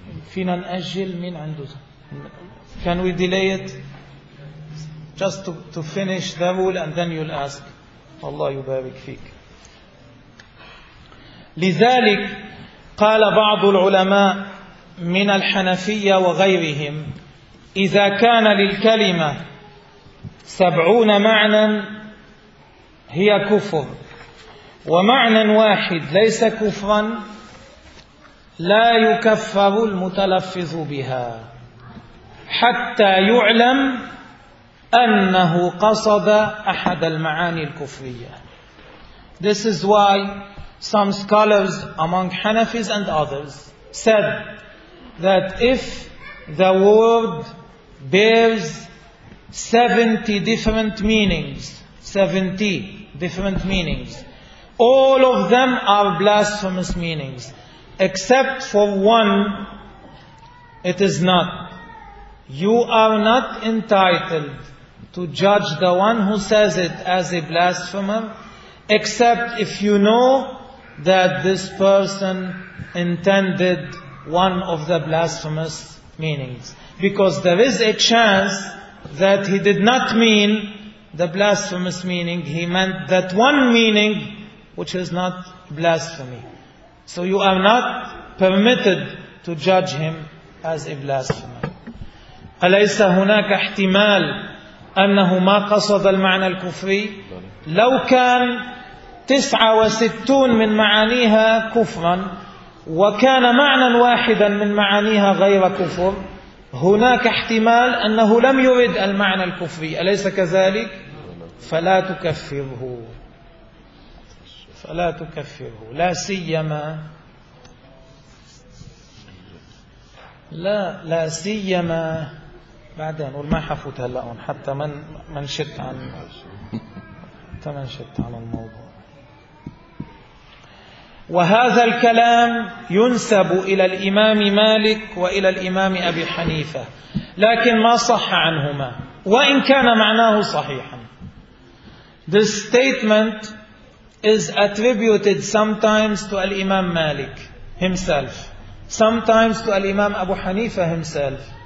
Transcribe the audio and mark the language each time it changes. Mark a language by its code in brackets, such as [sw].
[ar] فينا نأجل مين عنده؟ [en] Can we delay it? Just to finish the rule and then you'll ask. [ar] Allah يبارك فيك. لذلك قال بعض العلماء من الحنفية وغيرهم إذا كان للكلمة 70 معنى هي كفر ومعنى واحد ليس كفرا لا يكفر المتلفظ بها حتى يعلم أنه قصد أحد المعاني الكفرية. [en] This is why some scholars among Hanafis and others said that if the word bears 70 different meanings, 70 different meanings, all of them are blasphemous meanings, except for one, it is not. You are not entitled to judge the one who says it as a blasphemer, except if you know that this person intended one of the blasphemous meanings. Because there is a chance that he did not mean the blasphemous meaning, he meant that one meaning which is not blasphemy. So you are not permitted to judge him as a blasphemer. [ar] أليس هناك احتمال أنه ما قصد المعنى الكفري؟ لو كان 69 من معانيها كفرا وكان معنى واحدا من معانيها غير كفر، هناك احتمال أنه لم يرد المعنى الكفري، أليس كذلك؟ فلا تكفره. فلا تكفره، لا سيما لا سيما بعدين نقول ما حفوت هلأون حتى من شت عن حتى من شت عن الموضوع. وهذا الكلام ينسب إلى الإمام مالك وإلى الإمام أبي حنيفة، لكن ما صح عنهما وإن كان معناه صحيحا. [en] This statement is attributed sometimes to الإمام مالك himself, sometimes to الإمام أبو حنيفة himself.